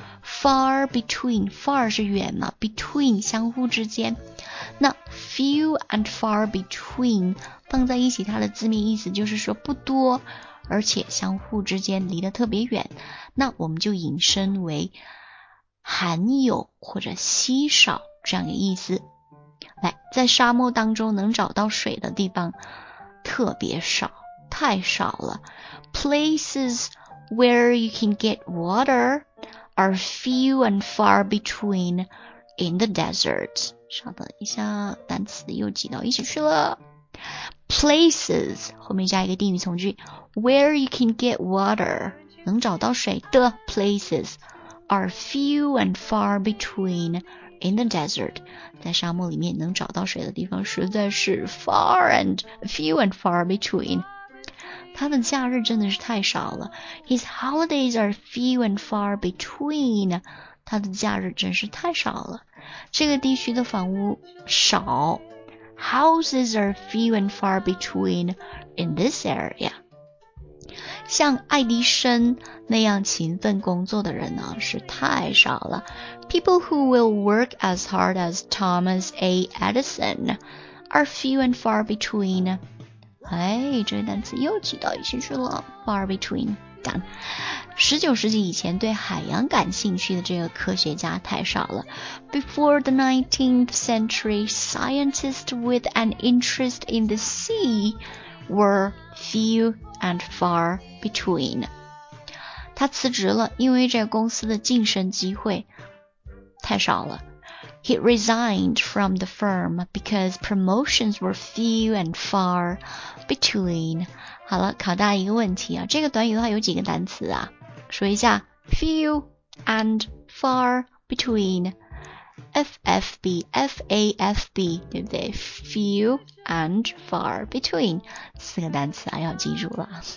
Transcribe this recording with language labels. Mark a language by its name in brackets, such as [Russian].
[Chinese] Far between， far 是远嘛， between 相互之间，那 few and far between 放在一起，它的字面意思就是说不多，而且相互之间离得特别远，那我们就引申为罕有或者稀少这样的意思。来，在沙漠当中能找到水的地方特别少，太少了。 [English] Places where you can get waterare few and far between in the desert. [Chinese] 稍等一下，单词又挤到一起去了。 [English] Places [Chinese] 后面加一个定语从句 [English] ，where you can get water [Chinese] 能找到水的 [English] places are few and far between in the desert. [Chinese] 在沙漠里面能找到水的地方实在是 few and far between. 他的假日真的是太少了。 [English] His holidays are few and far between. [Chinese] 他的假日真是太少了。这个地区的房屋少。 [English] Houses are few and far between in this area. [Chinese] 像爱迪生那样勤奋工作的人呢，是太少了。 [English] People who will work as hard as Thomas A. Edison are few and far between. [Chinese] 哎，这个单词又挤到一起去了。 [English] Far between, done. [Chinese] 19世纪以前对海洋感兴趣的这个科学家太少了。 [English] Before the 19th century, scientists with an interest in the sea were few and far between. [Chinese] 他辞职了，因为这个公司的晋升机会太少了。 [English] He resigned from the firm because promotions were few and far between. [Chinese] 好了，考大家一个问题啊，这个短语的话有几个单词啊？说一下 few and far between. [English] FFB, FAFB, [Chinese] 对不对？ [English] Few and far between. [Chinese] 四个单词啊，要记住了。